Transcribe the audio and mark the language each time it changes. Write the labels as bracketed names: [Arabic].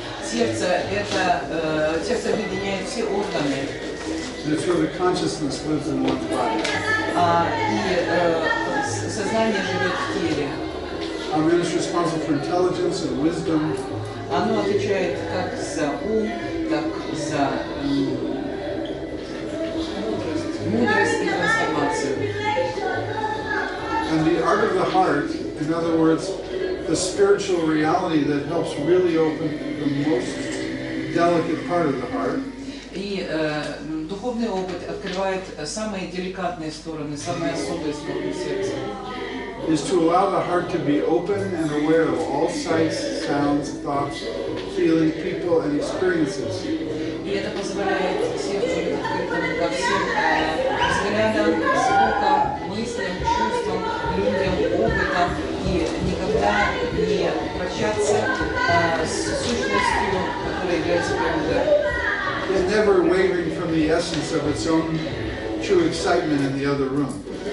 [Russian] Сердце объединяет все органы. [English] And it's where the consciousness lives in one's body. [Russian] Сознание живет в теле. [English] Our minister is responsible for intelligence and wisdom. [Russian] Оно отвечает как за ум, так за мудрость и трансформацию. [English] And the art of the heart, in other words, the spiritual reality that helps really open the most delicate part of the heart. [Russian] И духовный опыт открывает самые деликатные стороны, самые особые стороны сердца. [English] Is to allow the heart to be open and aware of all sights, sounds, thoughts, feelings, people, and experiences. [Russian] И это позволяет сердцу быть открытым ко всем взглядам, звукам, мыслям, чувствам, людям, опытам, и никогда не прощаться с сущностью, которая является природой. [English] And never wavering from the essence of its own true excitement in the other room.